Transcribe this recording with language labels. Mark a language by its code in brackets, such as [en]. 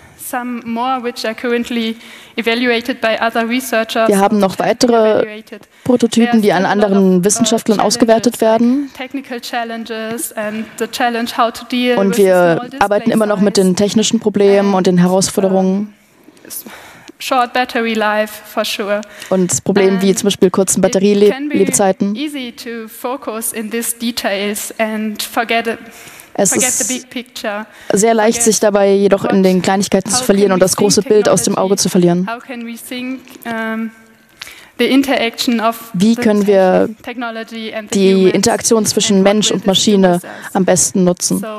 [de] Wir haben noch weitere Prototypen, die an anderen Wissenschaftlern ausgewertet werden. Und wir arbeiten immer noch mit den technischen Problemen und den Herausforderungen. [en] Short battery life for sure. [de] Und Probleme wie zum Beispiel kurzen Batterielebzeiten. [en] Easy to focus in these details and forget it. [de] Es ist sehr leicht, sich dabei jedoch in den Kleinigkeiten zu verlieren und das große Bild aus dem Auge zu verlieren. Wie können wir die Interaktion zwischen Mensch und Maschine am besten nutzen?